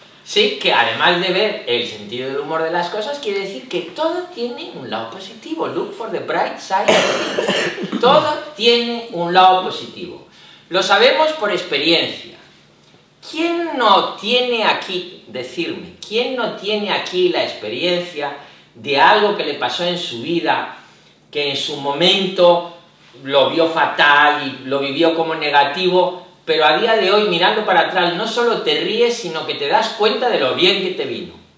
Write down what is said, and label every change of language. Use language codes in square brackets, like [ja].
[es] Sí, que además de ver el sentido del humor de las cosas, quiere decir que todo tiene un lado positivo. [en] Look for the bright side of things. [es] Todo tiene un lado positivo. Lo sabemos por experiencia. ¿Quién no tiene aquí, decirme, quién no tiene aquí la experiencia de algo que le pasó en su vida, que en su momento lo vio fatal y lo vivió como negativo, pero a día de hoy, mirando para atrás, no solo te ríes, sino que te das cuenta de lo bien que te vino?